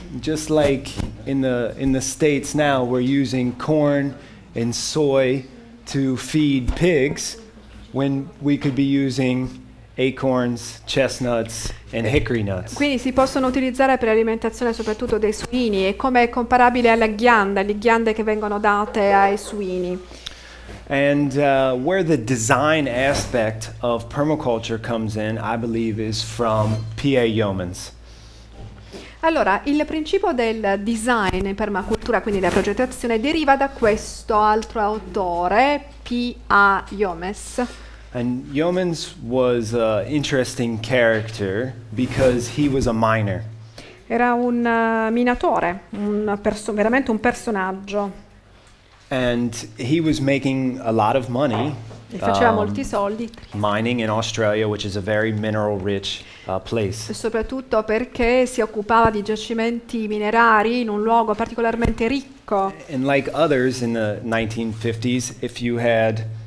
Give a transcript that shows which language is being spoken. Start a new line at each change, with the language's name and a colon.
English: Just like in the States now, we're using corn and soy to feed pigs. When we could be using acorns, chestnuts, and hickory nuts.
Italian: Quindi si possono utilizzare per l'alimentazione soprattutto dei suini e come è comparabile alla ghianda, le ghiande che vengono date ai suini.
English: And where the design aspect of permaculture comes in, I believe, is from P.A. Yeomans.
Italian: Allora, il principio del design in permacultura, quindi la progettazione, deriva da questo altro autore, P.A. Yeomans.
English: And Yeomans was an interesting character because he was a miner.
Italian: Era un minatore, veramente un personaggio.
English: And he was making a lot of money.
Italian: E faceva molti soldi.
English: Mining in Australia, which is a very mineral rich place.
Italian: Soprattutto perché si occupava di giacimenti minerari in un luogo particolarmente ricco.
English: And like others in the 1950s, if you had